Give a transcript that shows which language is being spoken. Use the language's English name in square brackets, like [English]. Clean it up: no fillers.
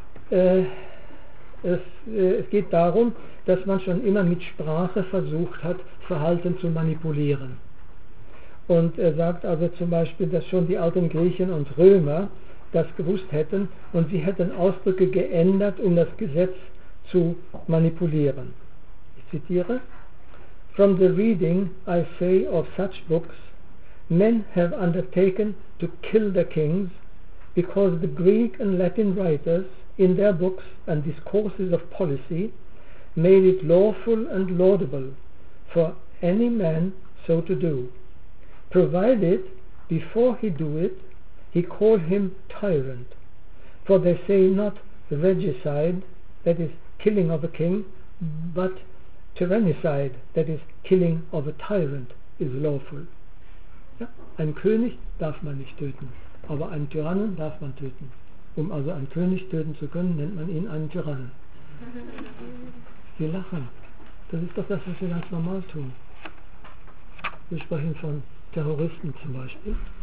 [German] Es geht darum, dass man schon immer mit Sprache versucht hat, Verhalten zu manipulieren. Und er sagt also zum Beispiel, dass schon die alten Griechen und Römer das gewusst hätten und sie hätten Ausdrücke geändert, um das Gesetz zu manipulieren. Ich zitiere: [English] "From the reading, I say, of such books, men have undertaken to kill the kings, because the Greek and Latin writers, in their books and discourses of policy, made it lawful and laudable for any man so to do, provided before he do it, he call him tyrant, for they say not regicide, that is killing of a king, but tyrannicide, that is killing of a tyrant, is lawful." [German] Ja, ein König darf man nicht töten, aber einen Tyrannen darf man töten. Um also einen König töten zu können, nennt man ihn einen Tyrannen. Sie lachen. Das ist doch das, was wir ganz normal tun. Wir sprechen von Terroristen zum Beispiel.